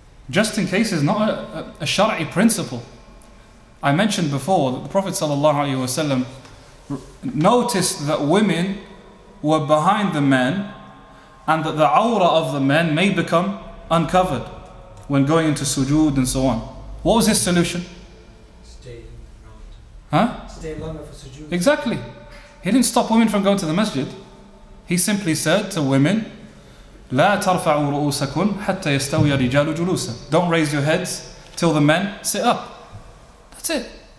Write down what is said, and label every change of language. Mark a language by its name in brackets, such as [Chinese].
[English] just in case is not a shar'i principle. I mentioned before that the Prophet ﷺ noticed that women were behind the men and that the awrah of the men may become uncovered when going into sujood and so on. What was his solution? Stay long. Huh? Stay longer for sujood. Exactly. He didn't stop women from going to the masjid. He simply said to women, [Arabic] لا ترفعوا رؤوسكم حتى يستوي رجال جلوسا. [English] Don't raise your heads till the men sit up. That's it.